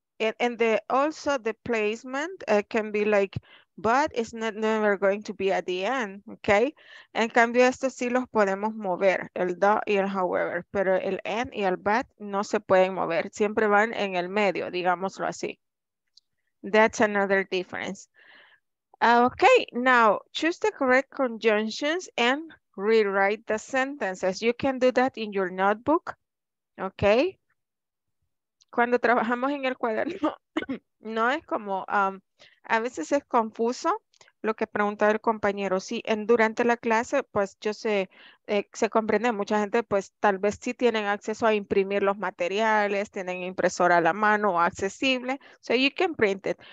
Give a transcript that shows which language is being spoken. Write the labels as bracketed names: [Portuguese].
[English] And the also the placement can be like, but it's not never going to be at the end. Okay. [Spanish] En cambio, estos sí los podemos mover, el do y el however. Pero el end y el but no se pueden mover. Siempre van en el medio, digámoslo así. [English] That's another difference. Okay, now choose the correct conjunctions and rewrite the sentences. You can do that in your notebook. Okay. [Spanish] Cuando trabajamos en el cuaderno, no es como, a veces es confuso lo que preguntaba el compañero. Sí, durante la clase, pues yo sé, se comprende. Mucha gente, pues tal vez sí tienen acceso a imprimir los materiales, tienen impresora a la mano o accesible. [English] So you can print it.